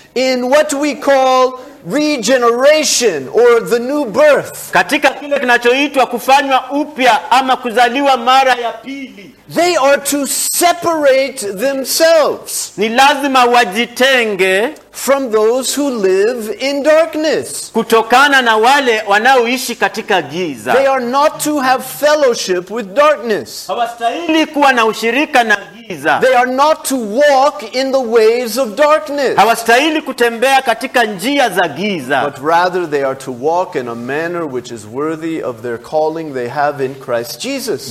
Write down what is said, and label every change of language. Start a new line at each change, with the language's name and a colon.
English: in what we call regeneration or the new birth,
Swahili: katika kile kinachoitwa kufanywa upya ama kuzaliwa mara ya pili,
English: they are to separate themselves,
Swahili: ni lazima wajitenge,
English: from those who live in darkness,
Swahili: kutokana na wale wanaoishi katika giza.
English: They are not to have fellowship with darkness.
Swahili: Hawastahili kuwa na ushirika na giza.
English: They are not to walk in the ways of darkness.
Swahili: Hawastahili kutembea katika njia za giza.
English: But rather they are to walk in a manner which is worthy of their calling they have in Christ Jesus.